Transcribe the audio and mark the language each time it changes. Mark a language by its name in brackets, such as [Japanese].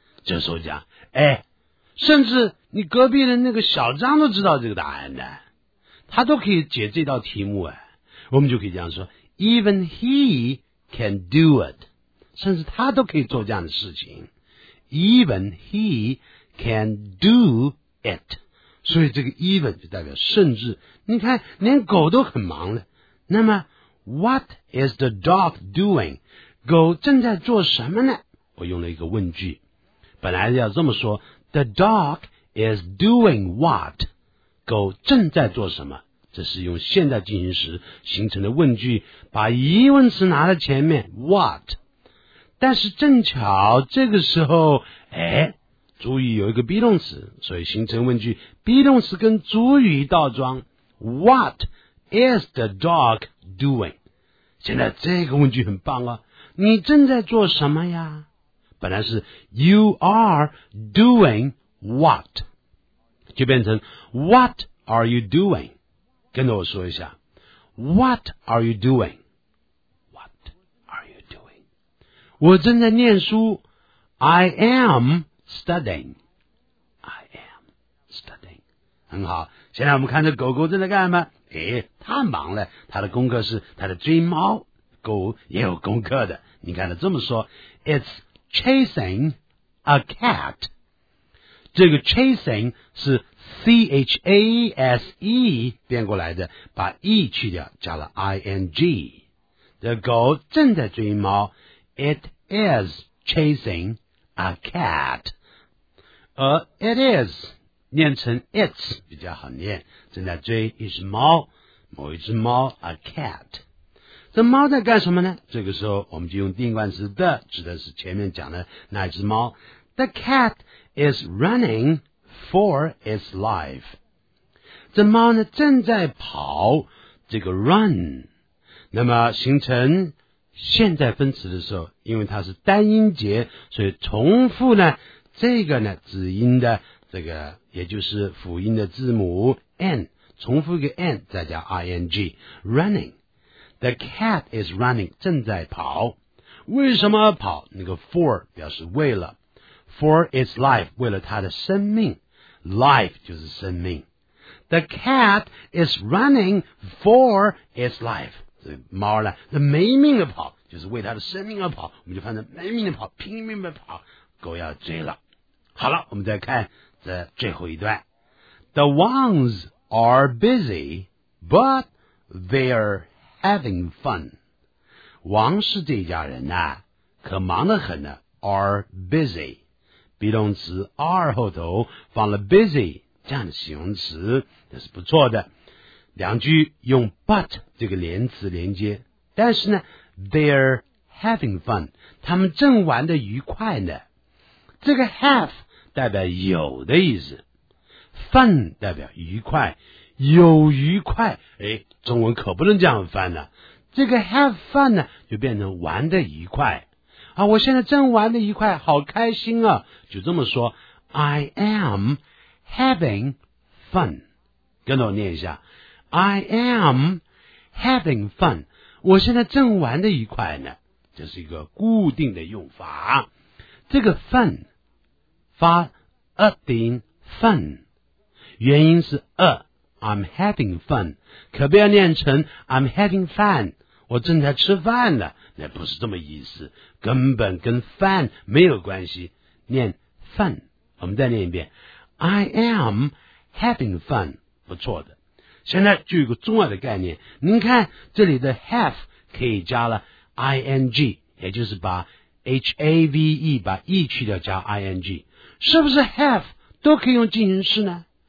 [Chinese] 这时候讲，哎，甚至你隔壁的那个小张都知道这个答案的，他都可以解这道题目哎。我们就可以这样说 ， [English] Even he can do it， [Chinese] 甚至他都可以做这样的事情 ， [English] Even he。 Can do it. [Chinese] 所以这个 even 就代表甚至。你看连狗都很忙了。那么 [English] what is the dog doing? [Chinese] 狗正在做什么呢？我用了一个问句。本来要这么说 [English] the dog is doing what? [Chinese] 狗正在做什么？这是用现在进行时形成的问句，把疑问词拿在前面 what? 但是正巧这个时候哎。主语有一个 be 动词，所以形成问句 be 动词跟主语倒装 [English] What is the dog doing? [Chinese] 现在这个问句很棒啊，你正在做什么呀？本来是 [English] You are doing what? [Chinese] 就变成 [English] What are you doing? [Chinese] 跟着我说一下 [English] What are you doing? What are you doing? [Chinese] 我正在念书 [English] I amStudying, I am studying. [Chinese] 很好，现在我们看这狗狗正在干嘛？哎，它忙了，它的功课是它的追猫。狗也有功课的，你看它这么说 ， [English] It's chasing a cat. [Chinese] 这个 chasing 是 C H A S E 变过来的，把 E 去掉，加了 I N G。这狗正在追猫 ， [English] It is chasing. [Chinese] A cat, 而 it is, 念成 it's, 比较好念，正在追一只猫，某一只猫 a cat. 这猫在干什么呢？这个时候我们就用定冠词 the, 指的是前面讲的那只猫。 [English] The cat is running for its life. [Chinese] 这猫呢正在跑，这个 run, 那么形成现在分词的时候，因为它是单音节，所以重复呢这个呢子音的这个也就是辅音的字母 n, 重复一个 n 再加 ing, running, [English] the cat is running, [Chinese] 正在跑。为什么跑？那个 for 表示为了， [English] for its life, [Chinese] 为了它的生命， life 就是生命。 [English] The cat is running for its life. [Chinese] 猫呢它没命的跑，就是为它的生命而跑，我们就翻成没命的跑，拼命的跑，狗要追了。好了，我们再看这最后一段。 [English] The ones are busy, but they're having fun. [Chinese] 王氏这家人呢、啊、可忙得很呢 ,are busy. be 动词 are 后头放了 busy, 这样的形容词这是不错的。两句用 but 这个连词连接，但是呢 [English] they're having fun, [Chinese] 他们正玩得愉快呢。这个 have 代表有的意思， fun 代表愉快，有愉快，诶，中文可不能这样翻呢、啊。这个 have fun 呢就变成玩得愉快啊，我现在正玩得愉快，好开心啊，就这么说 [English] I am having fun, [Chinese] 跟着我念一下 [English] I am having fun. [Chinese] 我现在正玩得愉快呢。这是一个固定的用法。这个 fun, 发 a 的音 fun, 原因是 a, [English] I'm having fun. [Chinese] 可不要念成 [English] I'm having fun, [Chinese] 我正在吃饭呢。那不是这么意思，根本跟饭没有关系。念饭，我们再念一遍 ， [English] I am having fun， [Chinese] 不错的。现在就有个重要的概念，您看这里的 have 可以加了 ing， 也就是把 have 把 e 去掉加 ing， 是不是 have 都可以用进行式呢？